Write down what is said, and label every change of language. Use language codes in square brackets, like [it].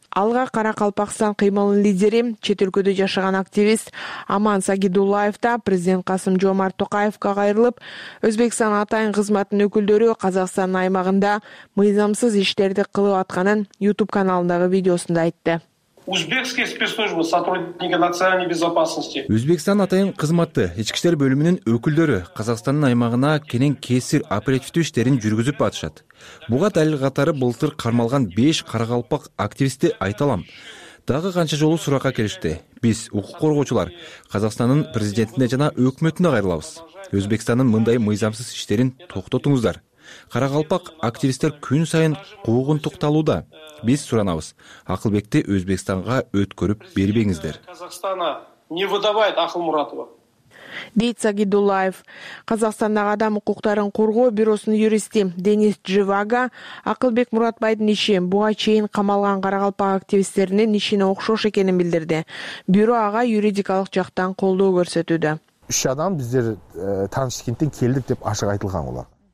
[ky] Алга Каракалпакстан кыймылынын лидери, чет өлкөдө жашаган активист Аман Сагидуллаев да президент Касым Жомарт Токаевка кайрылып, Өзбекстан атайын кызматынын өкүлдөрү Казакстандын аймагында мыйзамсыз иштерди кылып атканын YouTube каналындагы видеосунда айтты. [ru] Узбекские спецслужбы, сотрудники национальной безопасности. [ky] Өзбекстан атайын кызматы, ички иштер бөлүмүнүн өкүлдөрү Казакстандын аймагына кенен кесир оперативдүү иштерин жүргүзүп атышат. Буга далил катары былтыр кармалган 5 карагалпак активисти айталам. Дагы канча жолу суракка келишти. Биз укук коргоочулар Казакстандын президентине жана өкмөтүнө кайрылабыз. Өзбекстандын мындай мыйзамсыз иштерин токтотуңуздар. Карагалпак активисттер күн сайын куугунтукталууда. Биз суранабыз. Акылбекти Өзбекстанга өткөрүп бербеңиздер. [ru] Казакстана не выдавает Акыл Муратова. [ky] Дейт Сагидуллаев. Казакстандагы адам укуктарын коргоо бюросунун юристи Денис Дживага Акылбек Муратбайдын иши буга чейин камалган карагалпак активисттеринин ишине окшош экенин билдирди. Бюро ага юридикалык жактан колдоо көрсөтүүдө. 3 адам биздер Ташкенттен келдик деп ашык айтылган болот.